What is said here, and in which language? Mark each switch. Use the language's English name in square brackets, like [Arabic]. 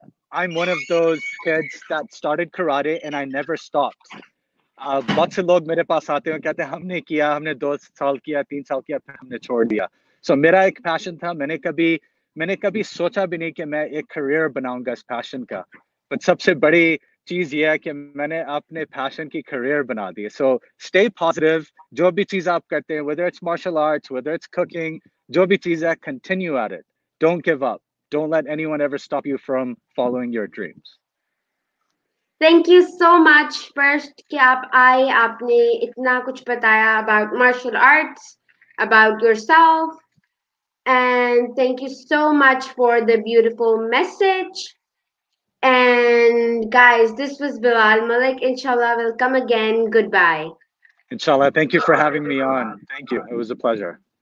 [English] I'm one of those kids that started karate and I never stopped. [Hindi] बहुत से लोग मेरे पास आते हैं, कहते हैं हमने किया, हमने 2 साल किया, 3 साल किया, फिर हमने छोड़ दिया. सो मेरा एक पैशन था, मैंने कभी सोचा भी नहीं कि मैं एक करियर बनाऊंगा इस पैशन का. बट सबसे बड़ी चीज ये है कि मैंने अपने पैशन की करियर बना दी. सो स्टे पॉजिटिव, जो भी चीज आप करते हैं, [English] whether it's martial arts, whether it's cooking, [Hindi] जो भी चीज है, [English] continue at it. Don't give up. Don't let anyone ever stop you from following your dreams. [Hindi] Thank you so much first कि आप आए, आपने इतना कुछ बताया [English] About martial arts, about yourself. And thank you so much for the beautiful message. And guys, this was Bilal Malik. Inshallah, we'll come again. Goodbye. Inshallah, thank you for having me on. Thank you. It was a pleasure.